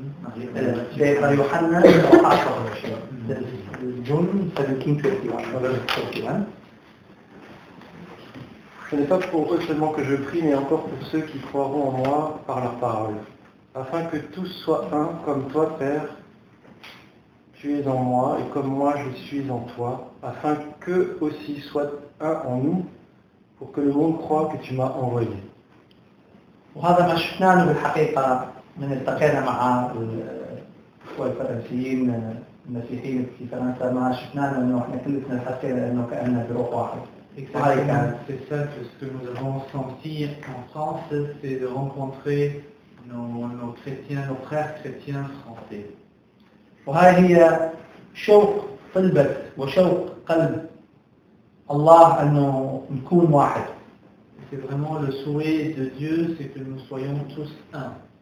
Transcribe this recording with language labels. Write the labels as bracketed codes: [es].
[ar] 17 لوقا 21 18 يوحنا 17 21 18 جون 17 [fr] afin que tous soient un comme toi, Père, tu es en moi et comme moi je suis en toi, afin qu'eux aussi soient un en nous, pour que le monde croie que tu m'as envoyé. [ar] وهذا ما شفناه بالحقيقة من التقينا مع الأخوة الفرنسيين المسيحيين في فرنسا ما شفناه إنه إحنا كلنا حسينا إنه كأننا بروح واحد. [fr] C'est ça que ce que nous avons senti en France, c'est de rencontrer nos chrétiens, nos frères chrétiens français. C'est vraiment le souhait de Dieu, c'est que nous soyons tous un.